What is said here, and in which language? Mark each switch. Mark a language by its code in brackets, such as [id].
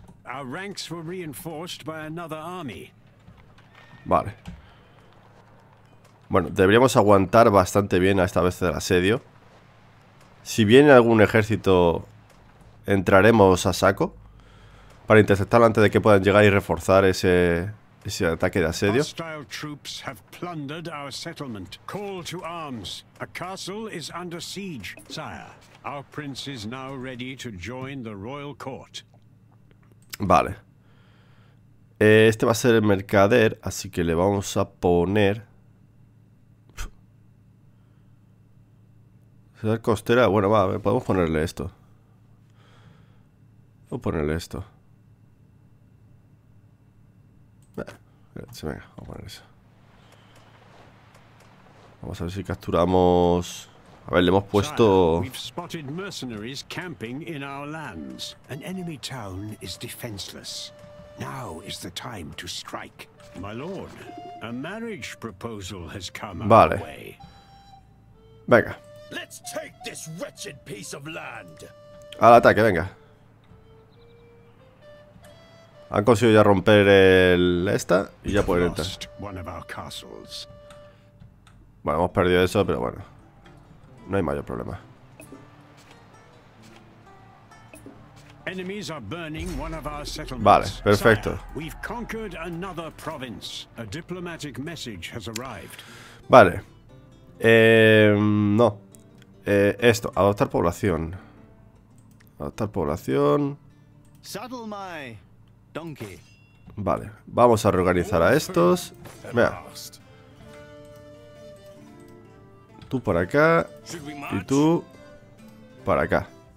[en] Our ranks were reinforced by another army. [es] Vale. Bueno, deberíamos aguantar bastante bien a esta vez del asedio. Si viene algún ejército, entraremos a saco para interceptarlo antes de que puedan llegar y reforzar ese ataque de asedio. [en] Hostile troops have plundered our settlement. Call to arms. A castle is under siege, sire. Our prince is now ready to join the royal court. [es] Vale. Este va a ser el mercader, así que le vamos a poner... ¿Será costera? Bueno, va, podemos ponerle esto. Vamos a ponerle esto. Venga, vamos a poner eso. Vamos a ver si capturamos... A ver, le hemos puesto... [en] We've spotted mercenaries camping in our lands. An enemy town is defenseless. Now is the time to strike. My lord, a marriage proposal has come [es] vale. [en] Our way. [es] Venga. [en] Let's take this wretched piece of land. [es] Al ataque, venga. Han conseguido ya romper el esta y ya pueden entrar. [en] One of our castles. [es] Bueno, hemos perdido eso, pero bueno. No hay mayor problema. [en] Enemies are burning one of our settlements. [es] Vale, perfecto. [en] Sire, we've conquered another province. A diplomatic message has arrived. [es] Vale. No. Esto, adoptar población. Adoptar población. [en] Saddle my donkey. [es] Vale, vamos a reorganizar a estos. Mira. Tú para acá. Y tú para acá.